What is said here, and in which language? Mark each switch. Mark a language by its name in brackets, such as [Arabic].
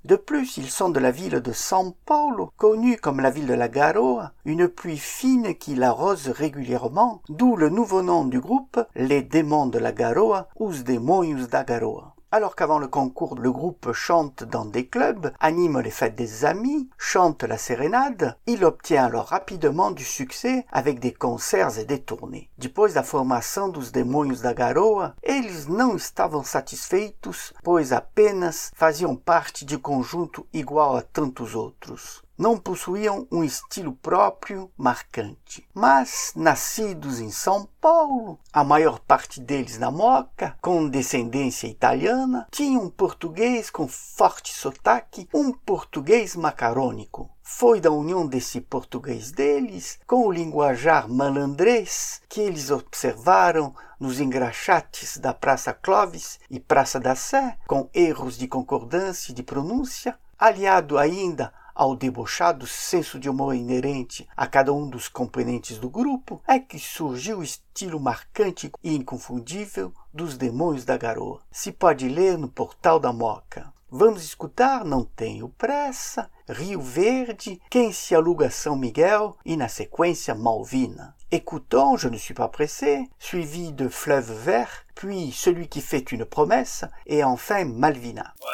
[French] De plus, ils sont de la ville de São Paulo, connue comme la ville de la Garoa, une pluie fine qui l'arrose régulièrement, d'où le nouveau nom du groupe, Les Démons de la Garoa, Os Demônios da Garoa. Alors qu'avant le concours, le groupe chante dans des clubs, anime les fêtes des amis, chante la sérénade, il obtient alors rapidement du succès avec des concerts et des tournées. [Portuguese] Depois da formação dos Demônios da Garoa, eles não estavam satisfeitos, pois apenas faziam parte de um conjunto igual a tantos outros. Não possuíam um estilo próprio marcante. Mas, nascidos em São Paulo, a maior parte deles na Mooca, com descendência italiana, tinha um português com forte sotaque, um português macarônico. Foi da união desse português deles com o linguajar malandrês que eles observaram nos engraxates da Praça Clóvis e Praça da Sé, com erros de concordância e de pronúncia, aliado ainda ao debochado senso de humor inerente a cada um dos componentes do grupo, é que surgiu o estilo marcante e inconfundível dos Demônios da Garoa. Se pode ler no portal da Mooca. Vamos escutar Não Tenho Pressa, Rio Verde, Quem Se Aluga São Miguel e, na sequência, Malvina. [French] Écoutons Je Ne Suis Pas Pressé, suivi de Fleuve Vert, puis Celui Qui Fait Une Promesse et enfin Malvina.